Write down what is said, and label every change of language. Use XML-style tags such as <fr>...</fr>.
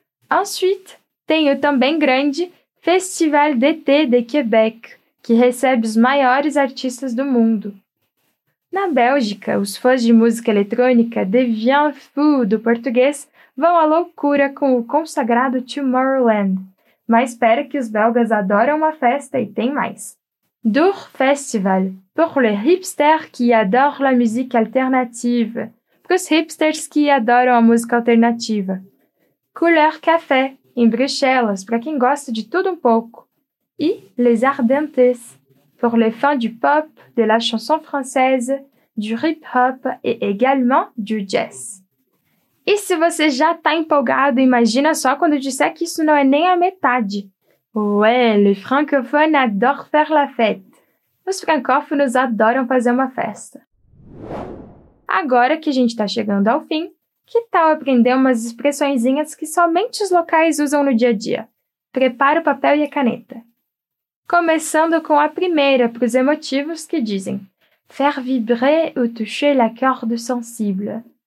<pt>Ensuite, tem o também grande Festival d'été de Québec, que recebe os maiores artistas do mundo. Na Bélgica, os fãs de música eletrônica Deviant Fou, do português, vão à loucura com o consagrado Tomorrowland. Mas espera que os belgas adoram uma festa e tem mais.</pt> <fr>Dour Festival, pour les hipsters qui adorent la musique alternative.</fr> <pt>Para os hipsters que adoram a música alternativa. Couleur Café, em Bruxelas, para quem gosta de tudo um pouco.</pt> <fr>E Les Ardentes, pour les fans du pop, de la chanson française, du hip-hop et également du jazz.</fr> <pt>E se você já tá empolgado, imagina só quando eu disser que isso não é nem a metade.</pt> <fr>Ouais, les francophones adorent faire la fête.</fr> <pt>Os francófonos adoram fazer uma festa. Agora que a gente tá chegando ao fim, que tal aprender umas expressõezinhas que somente os locais usam no dia a dia? Prepara o papel e a caneta. Começando com a primeira, pros emotivos que dizem</pt> <fr>faire vibrer ou toucher la corde sensible.</fr>